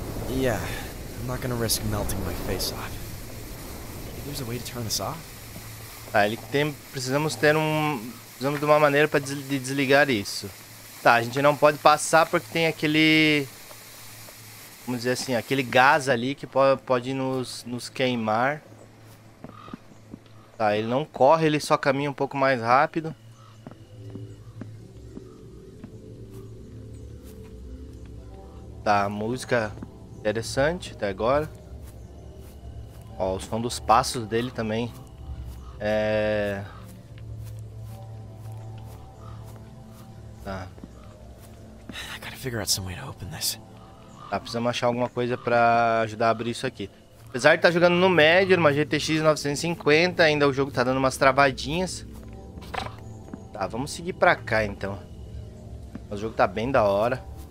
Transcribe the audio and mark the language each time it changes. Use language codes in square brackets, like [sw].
[en] Yeah, I'm not gonna risk melting my face off. There's a way to turn this off? [pt] Tá, ele tem. Precisamos ter um. Precisamos de uma maneira para desligar isso. Tá, a gente não pode passar porque tem aquele. Vamos dizer assim, aquele gás ali que pode nos queimar. Tá, ele não corre, ele só caminha um pouco mais rápido. Tá, a música. Interessante até agora. Ó, o som dos passos dele também. Tá. [en] I gotta figure out some way to open this. [pt] Tá, precisamos achar alguma coisa pra ajudar a abrir isso aqui. Apesar de estar jogando no médio, numa GTX 950, ainda o jogo tá dando umas travadinhas. Tá, vamos seguir pra cá então. O jogo tá bem da hora.